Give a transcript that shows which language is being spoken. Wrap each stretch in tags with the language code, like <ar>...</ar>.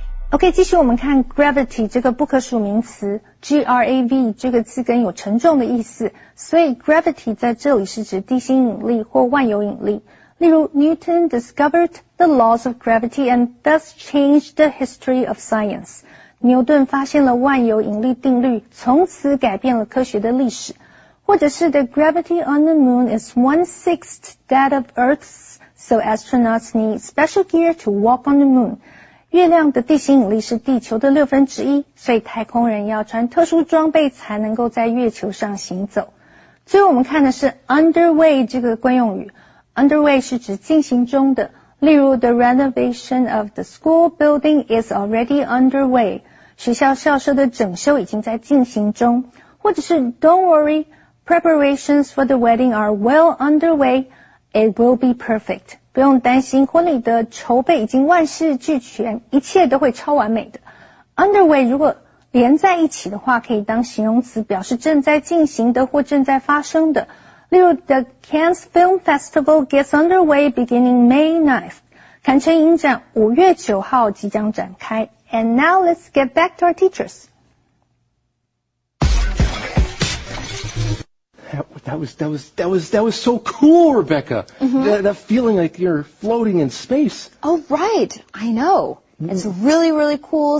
<zh>OK, 继续我们看 gravity 这个不可数名词 ,grav 这个字根有沉重的意思。所以 gravity 在这里是指地心引力或万有引力。例如</zh> <en>,Newton discovered the laws of gravity and thus changed the history of science.</en> <zh>牛顿发现了万有引力定律从此改变了科学的历史。或者是</zh> <en>the gravity on the moon is 1/6 that of Earth's, so astronauts need special gear to walk on the moon.</en> <zh>月亮的地心引力是地球的六分之一，所以太空人要穿特殊装备才能够在月球上行走。最后我们看的是 underway 这个惯用语。underway 是指进行中的，例如</zh> <en>the renovation of the school building is already underway，</en> <zh>学校校舍的整修已经在进行中。或者是</zh> <en>don't worry， preparations for the wedding are well underway， it will be perfect。</en> <zh>不用担心，婚礼的筹备已经万事俱全，一切都会超完美的。Underway 如果连在一起的话可以当形容词，表示正在进行的或正在发生的。例如</zh> <en>The Cannes Film Festival gets underway beginning May 9th.</en> <zh>坎城影展5月9号即将展开。</zh> <en>And now let's get back to our teachers. That was so cool, Rebecca. Mm-hmm. That feeling like you're floating in space. Oh, right. I know. It's really, really cool.</en>